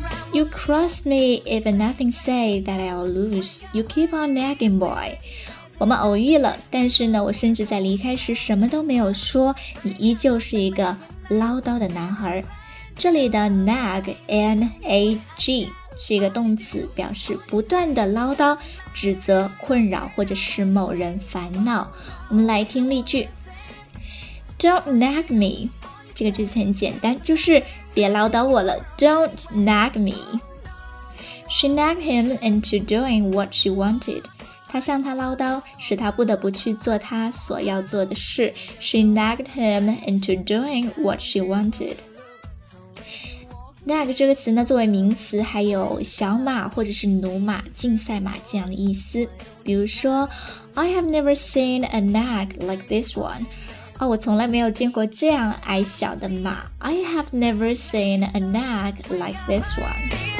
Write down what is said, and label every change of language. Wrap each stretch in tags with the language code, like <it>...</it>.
<en>You cross me if nothing say that I'll lose. You keep on nagging, boy.</en> <zh>我们偶遇了，但是呢，我甚至在离开时什么都没有说，你依旧是一个唠叨的男孩。这里的 nag, N-A-G, 是一个动词，表示不断的唠叨、指责、困扰或者是某人烦恼。我们来听例句。</zh> <en>Don't nag me.</en> <zh>这个句子很简单，就是别唠叨我了，</zh> <en>Don't nag me. She nagged him into doing what she wanted.</en> <zh>她向他唠叨，使他不得不去做他所要做的事。</zh> <en>She nagged him into doing what she wanted.</en> <zh>Nag 这个词呢，作为名词，还有小马或者是驽马、竞赛马这样的意思。比如说</zh> <en>，I have never seen a nag like this one。</en> <zh>哦，我从来没有见过这样矮小的马。</zh> <en>I have never seen a nag like this one。</en>